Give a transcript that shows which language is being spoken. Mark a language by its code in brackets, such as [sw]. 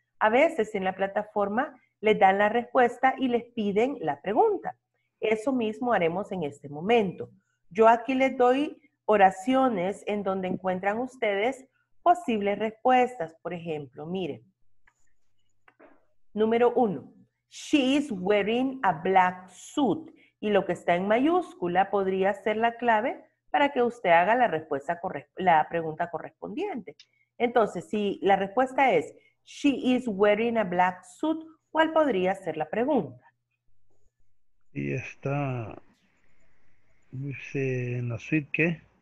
[es] A veces en la plataforma les dan la respuesta y les piden la pregunta. Eso mismo haremos en este momento. Yo aquí les doy oraciones en donde encuentran ustedes posibles respuestas. Por ejemplo, miren. Número uno. [en] She is wearing a black suit. [es] Y lo que está en mayúscula podría ser la clave para que usted haga la respuesta, la pregunta correspondiente. Entonces, si la respuesta es [en] she is wearing a black suit, [es] ¿cuál podría ser la pregunta? Y está, dice, ¿en la suite qué?